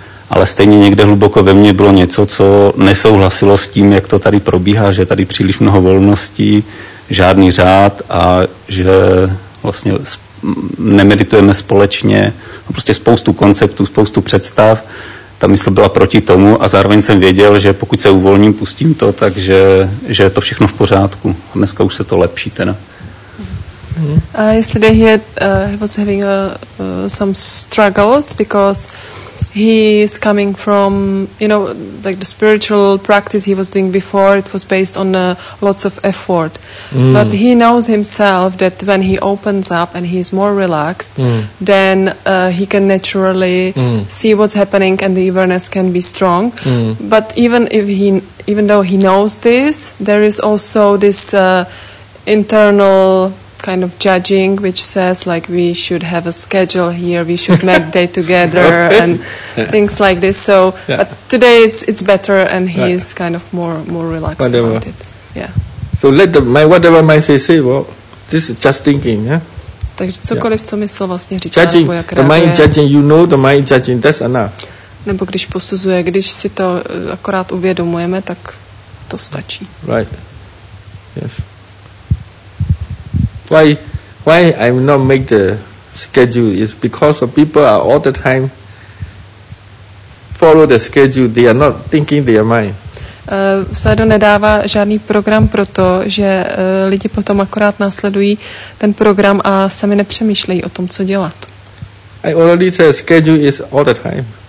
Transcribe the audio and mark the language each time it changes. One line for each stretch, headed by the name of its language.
Czech: Ale stejně někde hluboko ve mně bylo něco, co nesouhlasilo s tím, jak to tady probíhá, že je tady příliš mnoho volností, žádný řád a že vlastně nemeditujeme společně. Prostě spoustu konceptů, spoustu představ. Ta mysl byla proti tomu a zároveň jsem věděl, že pokud se uvolním, pustím to, takže že je to všechno v pořádku. A dneska už se to lepší teda.
English: Yesterday he had, was having some struggles because he is coming from, you know, like the spiritual practice he was doing before, it was based on lots of effort. Mm. But he knows himself that when he opens up and he is more relaxed, then he can naturally see what's happening and the awareness can be strong. Mm. But even if he, even though he knows this, there is also this internal kind of judging, which says like we should have a schedule here, we should meditate together and things like this. So but today it's better and he is kind of more relaxed whatever. About it. Yeah. So let the my whatever my say, well, this is just thinking, yeah?
Czech: Takže cokoliv, co mysl vlastně říká,
English: judging,
Czech: nebo jak reaguje.
English: The mind judging, you know the mind judging, that's enough.
Czech: Nebo když posuzuje, když si to akorát uvědomujeme, tak to stačí.
English: Right. Yes. Why I'm not make the schedule is because of people are all the time follow the schedule. They are not thinking their mind.
Czech: Sado nedává žádný program proto, že lidi potom akorát následují ten program a sami nepřemýšlejí o tom, co dělat.
English: I already say schedule is all the time.